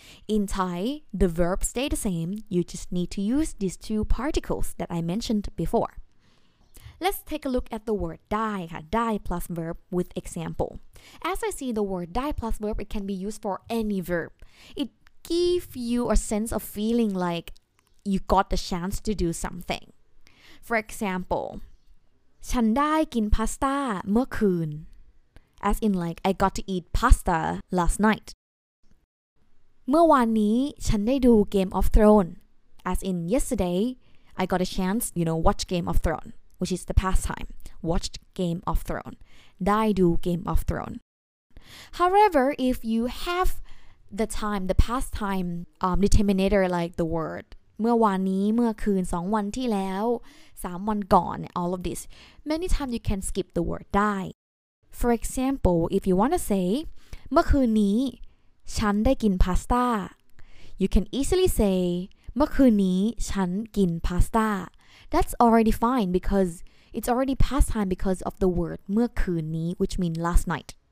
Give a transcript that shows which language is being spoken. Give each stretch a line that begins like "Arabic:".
English: In Thai, the verb stay the same. You just need to use these two particles that I mentioned before. Let's take a look at the word die, die plus verb with example. As I see the word die plus verb, it can be used for any verb. It gives you a sense of feeling like you got the chance to do something.
Thai: For example, ฉันได้กินพาสต้าเมื่อคืน.
English: As in like, I got to eat pasta last night.
Thai: เมื่อวานนี้ฉันได้ดู Game of Thrones.
English: As in yesterday, I got a chance, you know, watch Game of Thrones. Which is the past time, watched Game of Thrones, die do Game of Thrones. However, if you have the time, the past time determinator like the word เมื่อวานนี้เมื่อคืน2วันที่แล้ว3วันก่อน all of this, many times you can skip the word die. For example, if you want to say
Thai: เมื่อคืนนี้ฉันได้กินพาสต้า
English: you can easily say
Thai: เมื่อคืนนี้ฉันกินพาสต้า
English: That's already fine because it's already past time because of the word เมื่อคืนนี้ which means last night.